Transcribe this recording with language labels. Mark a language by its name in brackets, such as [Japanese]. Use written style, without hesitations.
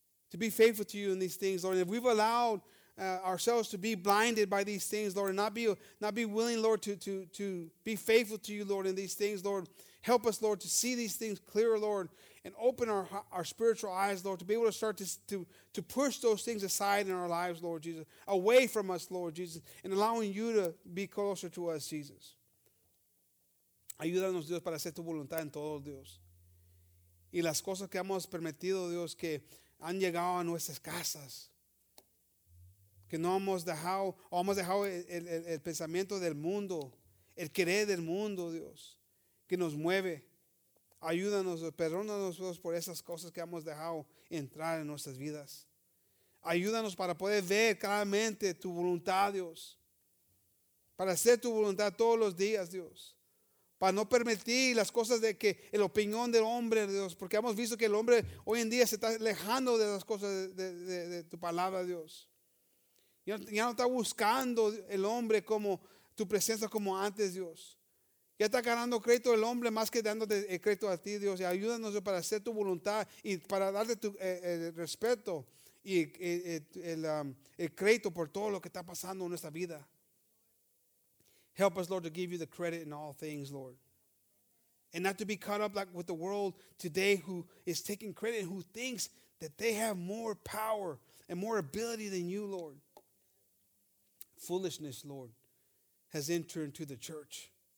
[English] To be faithful to you in these things, Lord. And if we've allowed ourselves to be blinded by these things, Lord, and not be willing, Lord, to be faithful to you, Lord, in these things, Lord. Help us, Lord, to see these things clearer, Lord, and open our spiritual eyes, Lord, to be able to start to push those things aside in our lives, Lord Jesus, away from us, Lord Jesus, and allowing you to be closer to us, Jesus. [Spanish] Ayúdanos, Dios, para hacer tu voluntad en todo, Dios. Y las cosas que hemos permitido, Dios, que han llegado a nuestras casas, que no hemos dejado, o hemos dejado el pensamiento del mundo, el querer del mundo, Dios, que nos mueve. Ayúdanos, perdónanos, Dios, por esas cosas que hemos dejado entrar en nuestras vidas. Ayúdanos para poder ver claramente tu voluntad, Dios, para hacer tu voluntad todos los días, Dios. Para no permitir las cosas de que la opinión del hombre, Dios, porque hemos visto que el hombre hoy en día se está alejando de las cosas de tu palabra, Dios. Ya no está buscando el hombre como tu presencia como antes, Dios. Ya está ganando crédito el hombre más que dándote el crédito a ti, Dios. Y ayúdanos, Dios, para hacer tu voluntad y para darte tu el respeto y el crédito por todo lo que está pasando en nuestra vida. [English] Help us, Lord, to give you the credit in all things, Lord. And not to be caught up like with the world today who is taking credit and who thinks that they have more power and more ability than you, Lord. Foolishness, Lord, has entered into the church.